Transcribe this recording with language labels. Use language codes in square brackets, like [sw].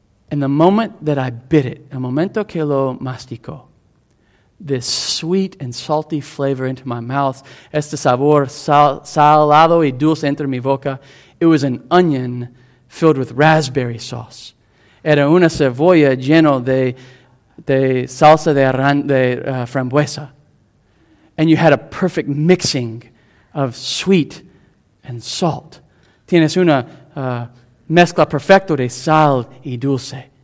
[en] And the moment that I bit it, [es] el momento que lo masticó, [en] this sweet and salty flavor into my mouth, [es] este sabor salado y dulce entre mi boca, [en] it was an onion filled with raspberry sauce. [es] Era una cebolla lleno de salsa de frambuesa. [en] And you had a perfect mixing of sweet and salt. [es] Tienes una mezcla perfecta de sal y dulce.